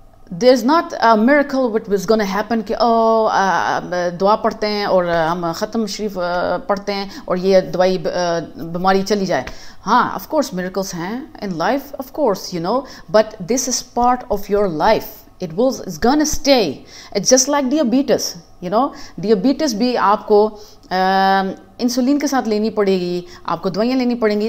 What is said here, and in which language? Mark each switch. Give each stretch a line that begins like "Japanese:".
English: There's not a miracle which was gonna happen
Urdu: کہ oh دعا پڑھتے ہیں اور ہم ختم شریف پڑھتے ہیں اور یہ دوائی بیماری چلی جائے.
English: ہاں of course miracles ہیں in life, of course, you know, but this is part of your life. It will is gonna stay. It's just like diabetes, you know.
Urdu: Diabetes بھی آپ کو انسولین کے ساتھ لینی پڑے گی, آپ کو دوائیاں لینی پڑیں گی.